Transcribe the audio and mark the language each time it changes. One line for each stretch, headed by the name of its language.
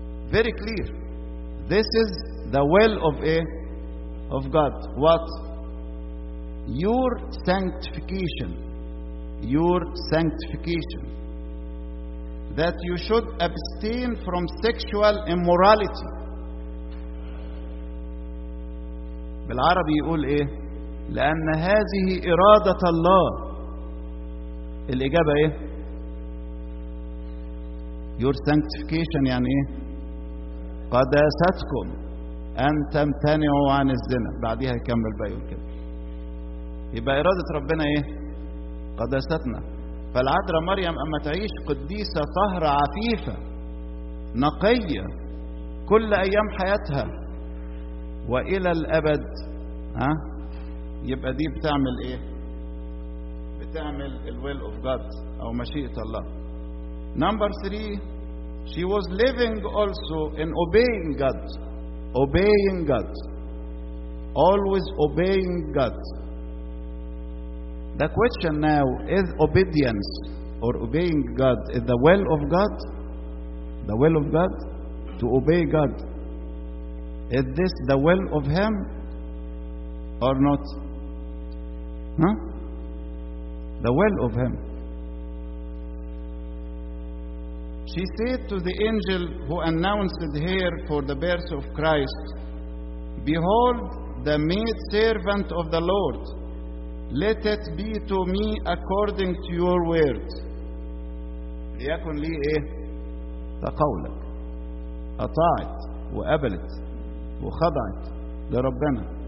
English: Very clear. This is the will of God. What? Your sanctification. Your sanctification, that you should abstain from sexual immorality.
Arabic: بالعربي يقول ايه؟ لأن هذه إرادة الله. الإجابة ايه؟
English: Your sanctification
Arabic: يعني ايه؟ قداستكم أن تمتنعوا عن الزنا. بعدها يكمل بقى يقول كده. يبقى إرادة ربنا ايه؟ قداستنا. فالعذراء مريم أما تعيش قديسة طهرة عفيفة نقية كل أيام حياتها وإلى الأبد، ها؟ يبقى دي بتعمل إيه؟ بتعمل الـ
English: will of God
Arabic: أو مشيئة الله.
English: Number three, she was living also in obeying God. Obeying God. Always obeying God. The question now is obedience or obeying God. Is the will of God, the will of God, to obey God, is this the will of Him or not? Huh? The will of Him. She said to the angel who announced her for the birth of Christ, "Behold, the maid servant of the Lord. Let it be to me according to your word."
Arabic: ليكن لي إيه؟ فقولك. أطاعت وقبلت وخضعت لربنا.